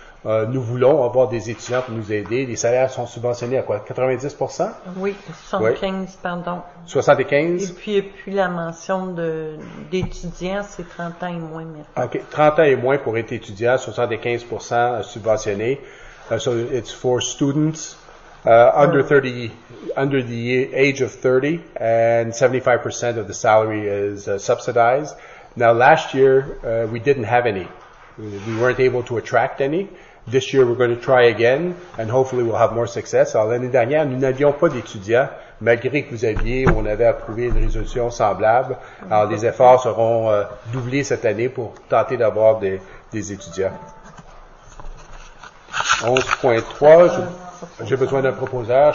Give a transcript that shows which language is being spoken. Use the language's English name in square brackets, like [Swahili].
[French] Nous voulons avoir des étudiants pour nous aider. Les salaires sont subventionnés à quoi? 90%? Oui, 75, oui. Pardon. 75? Et puis la mention d'étudiants, c'est 30 ans et moins maintenant. OK, 30 ans et moins pour être étudiant, 75% subventionné. [English] So it's for students under the age of 30, and 75% of the salary is subsidized. Now, last year, we didn't have any. We weren't able to attract any. This year, we're going to try again, and hopefully we'll have more success. [French] Alors, l'année dernière, nous n'avions pas d'étudiants, malgré que on avait approuvé une résolution semblable. Alors, les efforts seront doublés cette année pour tenter d'avoir des étudiants. 11.3, j'ai besoin d'un proposeur.